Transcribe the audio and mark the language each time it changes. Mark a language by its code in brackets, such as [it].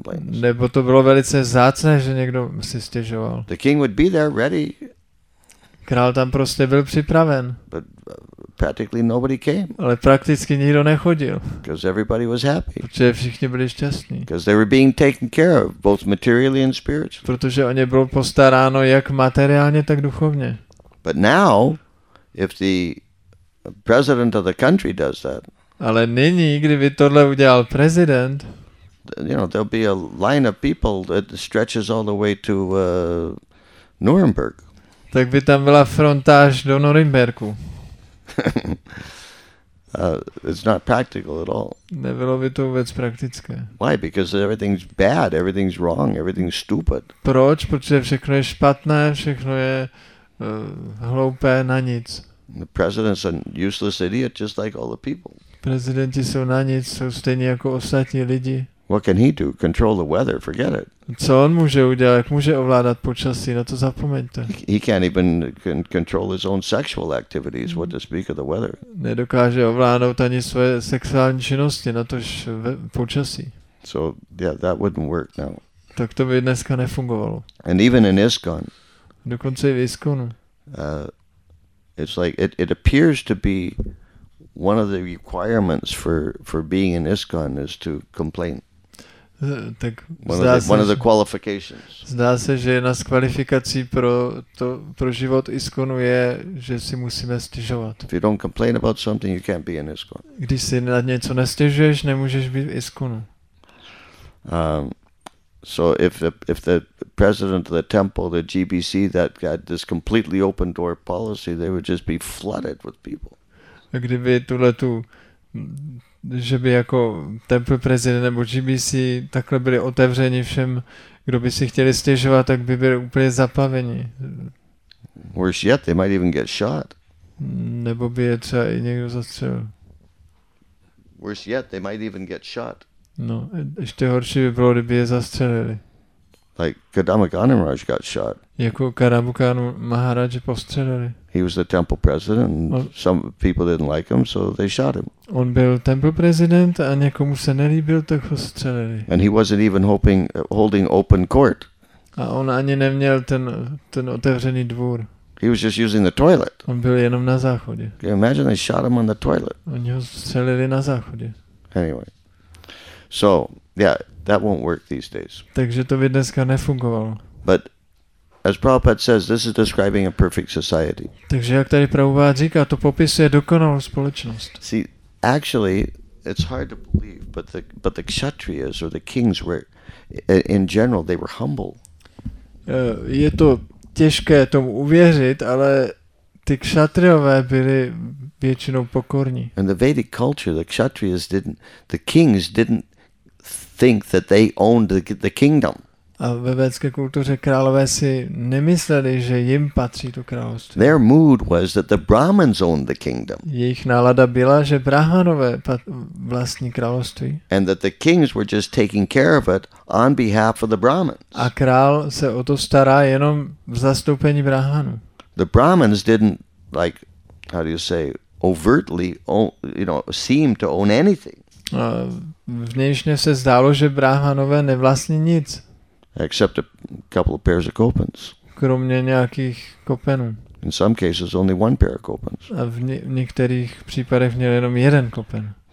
[cs] Nebo to bylo velice vzácné, že někdo si stěžoval. [en] The king would be there ready. [cs] Král tam prostě byl připraven. [en] But practically nobody came. [cs] Ale prakticky nikdo nechodil. [en] Because everybody was happy. [cs] Protože všichni byli šťastní. [en] Because they were being taken care of, both materially and spiritually. [cs] Protože o ně bylo postaráno jak materiálně, tak duchovně. [en] But now, if the president of the country does that, [cs] ale nyní, kdyby tohle udělal prezident, [en] you know, there'll be a line of people that stretches all the way to Nuremberg. [cs] Tak by tam byla fronta až do Norimberku. [en] It's not practical at all. [cs] Nebylo by to vůbec praktické. [en] Why? Because everything's bad, everything's wrong, everything's stupid. [cs] Proč? Protože všechno je špatné, všechno je hloupé, na nic. [en] The president's a useless idiot, just like all the people. [cs] Prezidenti jsou na nic, jsou stejně jako ostatní lidi. [en] What can he do? Control the weather? Forget it. [cs] Co on může udělat? Jak může ovládat počasí? Na to zapomeňte. [en] He can't even control his own sexual activities. What to speak of the weather? [cs] Nedokáže ovládat ani své sexuální činnosti, natož počasí. [en] So yeah, that wouldn't work now. [cs] Tak to by dneska nefungovalo. [en] And even in ISKCON. [cs] Dokonce i v ISKCONu. [en] It's like it appears to be one of the requirements for being in ISKCON is to complain. [cs] Tak [en] one of the qualifications. [cs] Zdá se, že jedna z kvalifikací pro to pro život ISKCON je, že si musíme stěžovat. [en] If you don't complain about something, you can't be in ISKCON. [cs] Když si na něco nestěžuješ, nemůžeš být v ISKCONu. [en] So if the president of the temple, the GBC, that had this completely open door policy, they would just be flooded with people. [cs] A kdyby tuhle tu, že by jako temple prezident nebo GBC takhle byli otevřeni všem, kdo by si chtěli stěžovat, tak by byli úplně zaplaveni. [en] Worse yet, they might even get shot. [cs] Nebo by je třeba i někdo zastřelil. [en] Worse yet, they might even get shot. [cs] No, ještě horší by bylo, kdyby je zastřelili. [en] Like Kadambakana Maharaj got shot. [cs] Jako Kadambakana Maharaj postřelili. [en] He was the temple president and some people didn't like him, so they shot him. [cs] On byl temple prezident a někomu se nelíbil, tak ho střelili. [en] And he wasn't even hoping holding open court. [cs] A on ani neměl ten otevřený dvůr. [en] He was just using the toilet. [cs] On byl jenom na záchodě. [en] Can you imagine they shot him on the toilet? [cs] Oni ho střelili na záchodě. [en] Anyway. So, yeah, that won't work these days. [cs] Takže to by dneska nefungovalo. [en] But as Prabhupada says, this is describing a perfect society. [cs] Takže jak tady Prabhupada říká, to popisuje dokonalou společnost. [en] See, actually, it's hard to believe, but the kshatriyas or the kings were, in general, they were humble. [cs] Je to těžké tomu uvěřit, ale ty kshatriové byli většinou pokorní. [en] In the Vedic culture, the kshatriyas didn't, the kings didn't think that they owned the kingdom. [cs] A ve vedské kultuře králové si nemysleli, že jim patří to království. [en] Their mood was that the Brahmins owned the kingdom. [cs] Jejich nálada byla, že Brahmanové vlastní království. [en] And that the kings were just taking care of it on behalf of the Brahmins. [cs] A král se o to stará jenom v zastoupení Brahmanů. [en] The Brahmins didn't, like, how do you say, overtly own, you know, seem to own anything. [cs] Vnějšně se zdálo, že Brahmanové nevlastní nic. [en] Except a couple of pairs of kopens. [cs] Kromě nějakých kopenů. [en] In some cases only one pair of kopens. [cs] A v některých případech měl jenom jeden kopen.